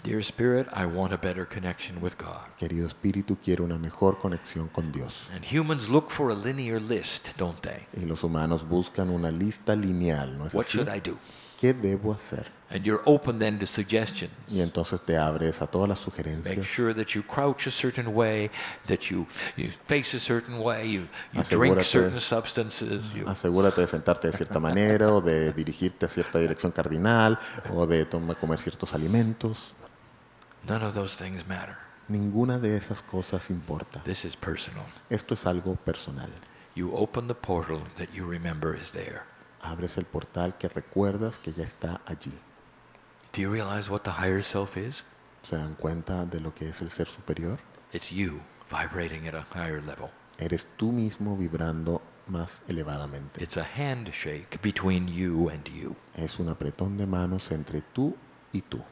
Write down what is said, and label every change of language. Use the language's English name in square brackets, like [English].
[English] Dear Spirit, I want a better connection with God. [Spanish] Querido Espíritu, quiero una mejor conexión con Dios. [English] And humans look for a linear list, don't they? [Spanish] Y los humanos buscan una lista lineal, ¿no es así? [English] What should I do? [Spanish] ¿Qué debo hacer? [English] And you're open then to suggestions. [Spanish] Y entonces te abres a todas las sugerencias. [English] Make sure that you crouch a certain way, that you face a certain way, you drink certain substances. [Spanish] Asegúrate de sentarte de cierta manera o de dirigirte a cierta dirección cardinal o de comer ciertos alimentos. [English] None of those things matter. [Spanish] Ninguna de esas cosas importa. [English] This is personal. [Spanish] Esto es algo personal. [English] You open the portal that you remember is there. [Spanish] Abres el portal que recuerdas que ya está allí. [English] Do you realize what the higher self is? [Spanish] ¿Se dan cuenta de lo que es el ser superior? [English] It's you vibrating at a higher level. [Spanish] Eres tú mismo vibrando más elevadamente. [English] It's a handshake between you and you. [Spanish] Es un apretón de manos entre tú y tú.